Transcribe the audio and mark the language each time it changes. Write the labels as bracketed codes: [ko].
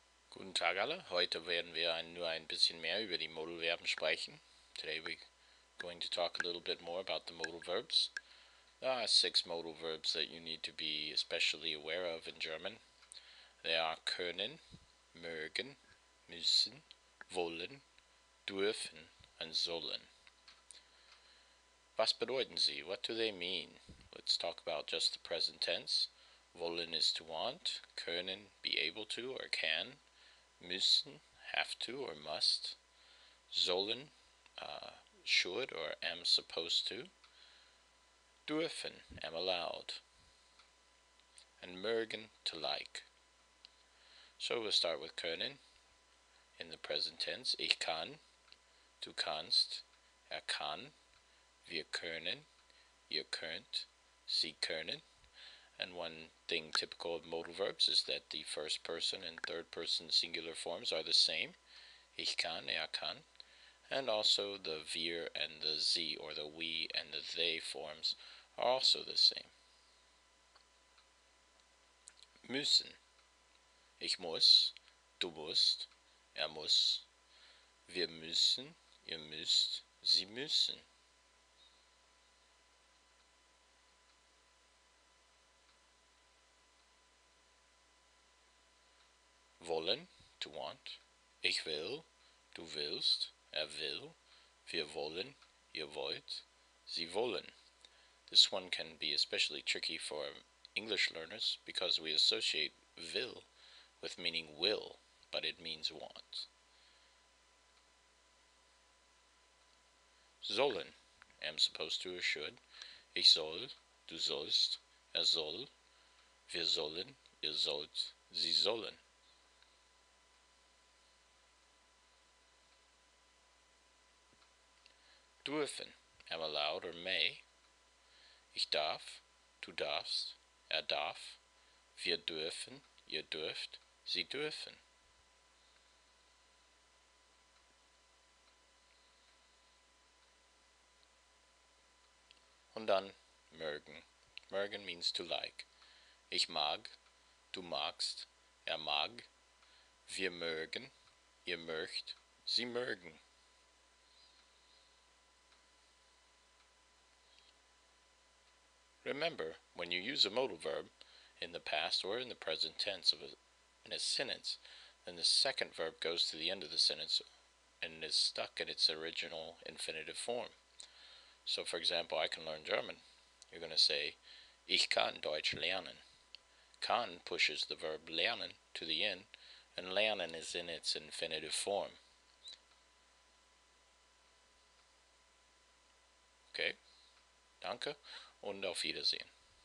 [de] Guten Tag alle, heute werden wir nur ein bisschen mehr über die Modal Verben sprechen. [en] Today we're going to talk a little bit more about the modal verbs. There are six modal verbs that you need to be especially aware of in German. They are können, mögen, müssen, wollen, dürfen, and sollen. [de] Was bedeuten sie? [en] What do they mean? Let's talk about just the present tense. Wollen is to want, können, be able to or can, müssen, have to or must, sollen, should or am supposed to, dürfen, am allowed, and mögen, to like. So we'll start with können in the present tense. [de] Ich kann, du kannst, kann, wir können, ihr könnt, sie können. [en] And one thing typical of modal verbs is that the first person and third person singular forms are the same. [de] Ich kann, kann. [en] And also the wir and the sie, or the we and the they forms, are also the same. [de] Müssen. Ich muss, du musst, muss. Wir müssen, ihr müsst, sie müssen. Wollen, [en] to want. [de] Ich will, du willst, will. Wir wollen, ihr wollt, sie wollen. [en] This one can be especially tricky for English learners because we associate will with meaning will, but it means want. Sollen, am supposed to or should. [de] Ich soll, du sollst, soll. Wir sollen, ihr sollt, sie sollen. Dürfen, [en] am allowed or may. [de] Ich darf, du darfst, darf. Wir dürfen, ihr dürft, sie dürfen. Und dann mögen. [en] Mögen means to like. [de] Ich mag, du magst, mag. Wir mögen, ihr mögt, sie mögen. [en] Remember, when you use a modal verb in the past or in the present tense of in a sentence, then the second verb goes to the end of the sentence and is stuck in its original infinitive form. So, for example, I can learn German. You're going to say, [de] Ich kann Deutsch lernen. [en] Kann pushes the verb lernen to the end, and lernen is in its infinitive form. [de] Okay? Danke. Und auf Wiedersehen.